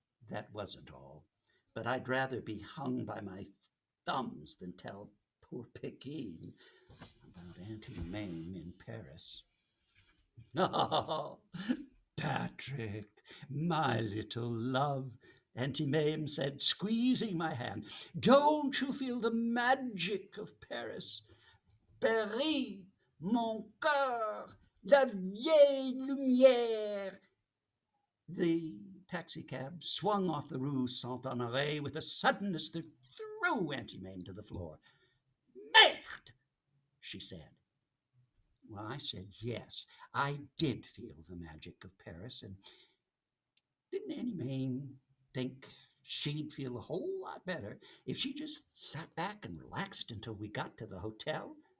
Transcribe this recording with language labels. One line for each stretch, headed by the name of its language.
English: That wasn't all, but I'd rather be hung by my thumbs than tell poor Pegeen about Auntie Mame in Paris. Patrick, my little love, Auntie Mame said, squeezing my hand. Don't you feel the magic of Paris?
French: Paris, mon cœur, la vieille lumière.
English: The taxicab swung off the Rue Saint-Honoré with a suddenness that threw Auntie Mame to the floor. Merde, she said. Well, I said, yes, I did feel the magic of Paris, and didn't Auntie Mame think she'd feel a whole lot better if she just sat back and relaxed until we got to the hotel?